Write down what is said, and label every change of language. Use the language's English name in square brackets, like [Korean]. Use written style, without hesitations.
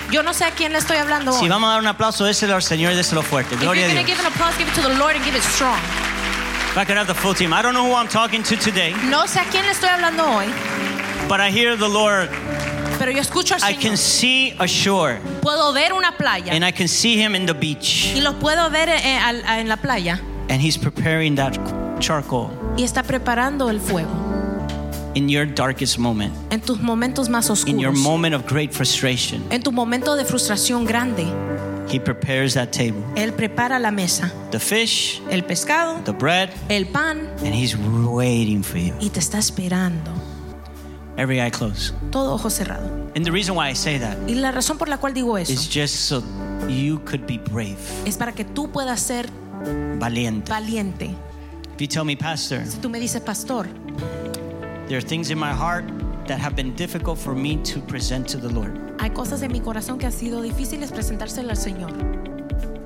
[Spanish] Yo no sé a quién le estoy hablando. Si vamos a dar un aplauso, déselo al Señor, déselo fuerte. Gloria a Dios. [English] If you're going to give an applause, give it to the Lord and give it strong. If I could have the full team. I don't know who I'm talking to today. [Spanish] No sé a quién le estoy hablando hoy. [English] But I hear the Lord. [Spanish] Pero yo escucho al Señor. [English] I can see a shore. [Spanish] Puedo ver una playa. [English] And I can see him in the beach. [Spanish] Y lo puedo ver en la playa. [English] And he's preparing that charcoal. [Spanish] Y está preparando el fuego. [English] In your darkest moment. [Spanish] En tus momentos más oscuros. [English] In your moment of great frustration. [Spanish] En tu momento de frustración grande. [English] He prepares that table. [Spanish] Él prepara la mesa. [English] The fish. [Spanish] El pescado. [English] The bread. [Spanish] El pan. [English] And he's waiting for you. [Spanish] Y te está esperando. [English] Every eye closed. [Spanish] Todo ojo cerrado. [English] And the reason why I say that. [Spanish] Y la razón por la cual digo eso. [English] Is just so you could be brave. [Spanish] Es para que tú puedas ser valiente. Valiente. [English] If you tell me, pastor. [Spanish] Si tú me dices, pastor. [English] There are things in my heart that have been difficult for me to present to the Lord. [Spanish] Hay cosas en mi corazón que ha sido difícil presentárselas al Señor.